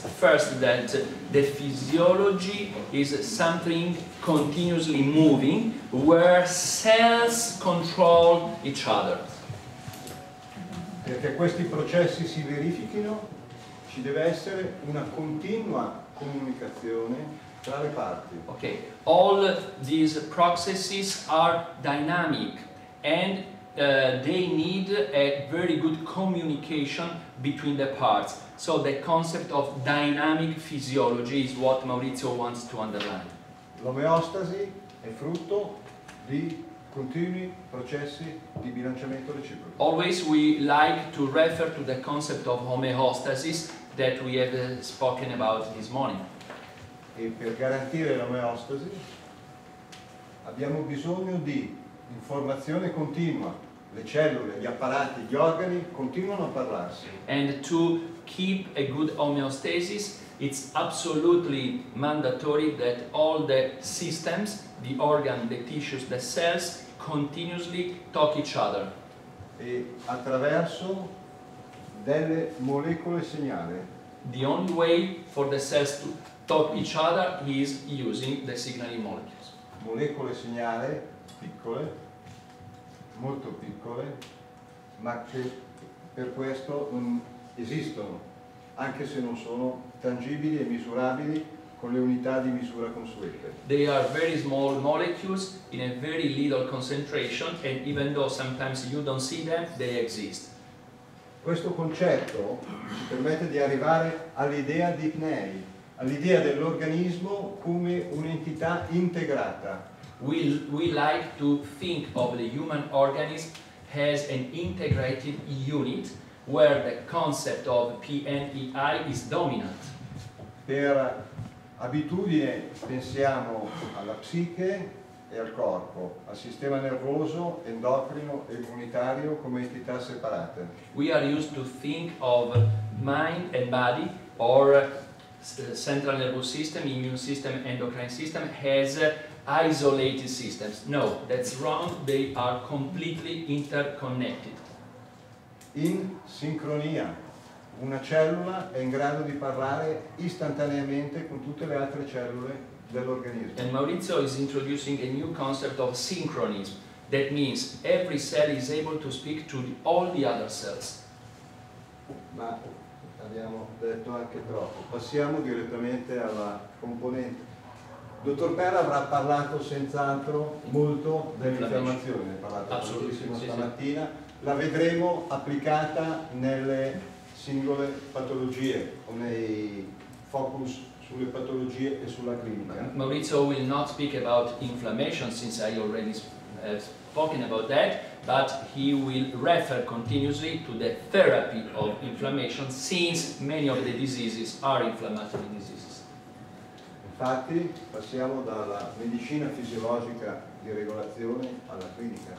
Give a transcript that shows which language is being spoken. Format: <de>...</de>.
<en>First, that the physiology is something continuously moving, where cells control each other.</en> <it>Perché questi processi si verifichino, ci deve essere una continua comunicazione tra le parti.</it> <en>Okay, all these processes are dynamic and they need a very good communication between the parts. So the concept of dynamic physiology is what Maurizio wants to underline.</en> <it>L'omeostasi è frutto di continui processi di bilanciamento reciproco.</it> <en>Always we like to refer to the concept of homeostasis that we have spoken about this morning.</en> <it>E per garantire l'omeostasi abbiamo bisogno di informazione continua. Le cellule, gli apparati, gli organi continuano a parlarsi.</it> <en>And to keep a good homeostasis, it's absolutely mandatory that all the systems, the organ, the tissues, the cells, continuously talk each other.</en> <it>E attraverso delle molecole segnale.</it> <en>The only way for the cells to talk each other is using the signaling molecules.</en> <it>Molecole segnale piccole, molto piccole, ma che per questo non esistono, anche se non sono tangibili e misurabili con le unità di misura consuete.</it> <en>They are very small molecules in a very little concentration, and even though sometimes you don't see them, they exist.</en> <it>Questo concetto ci permette di arrivare all'idea di Pnei, all'idea dell'organismo come un'entità integrata.</it> <en>We like to think of the human organism as an integrated unit where the concept of PNEI is dominant.</en> <it>Per abitudine pensiamo alla psiche e al corpo, al sistema nervoso, endocrino e immunitario come entità separate.</it> <en>We are used to think of mind and body or central nervous system, immune system, endocrine system as isolated systems. No, that's wrong. They are completely interconnected.</en> <it>In sincronia, una cellula è in grado di parlare istantaneamente con tutte le altre cellule dell'organismo.</it> <en>And Maurizio is introducing a new concept of synchronism. That means every cell is able to speak to all the other cells.</en> <it>Ma abbiamo detto anche troppo. Passiamo direttamente alla componente. Dottor Per avrà parlato senz'altro molto dell'infiammazione, ha parlato tantissimo stamattina, sì. La vedremo applicata nelle singole patologie o nei focus sulle patologie e sulla clinica.</it> <en>Maurizio will not speak about inflammation since I already have spoken about that, but he will refer continuously to the therapy of inflammation since many of the diseases are inflammatory diseases.</en> <it>Infatti passiamo dalla medicina fisiologica di regolazione alla clinica.</it>